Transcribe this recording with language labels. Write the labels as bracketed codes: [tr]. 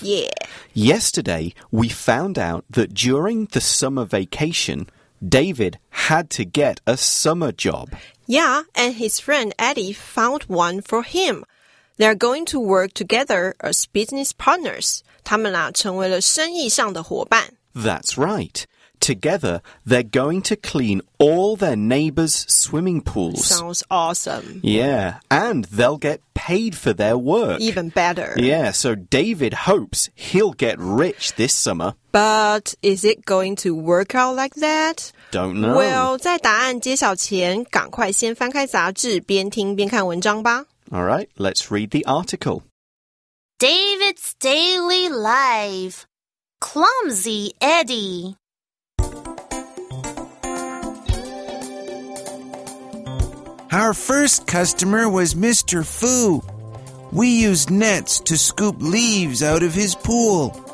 [en] Yeah. Yesterday, we found out that during the summer vacation, David had to get a summer job. Yeah, and his friend Eddie found one for him. They're going to work together as business partners. [zh] 他们俩成为了生意上的伙伴。 [en] That's right. Together, they're going to clean all their neighbors' swimming pools. Sounds awesome. Yeah, and they'll get paid for their work. Even better. Yeah, so David hopes he'll get rich this summer. But is it going to work out like that? Don't know. [zh] Well, 在答案揭晓前，赶快先翻开杂志，边听边看文章吧。 [en] All right, let's read the article. David's Daily Life. Clumsy Eddie. Our first customer was Mr. Fu. We used nets to scoop leaves out of his pool.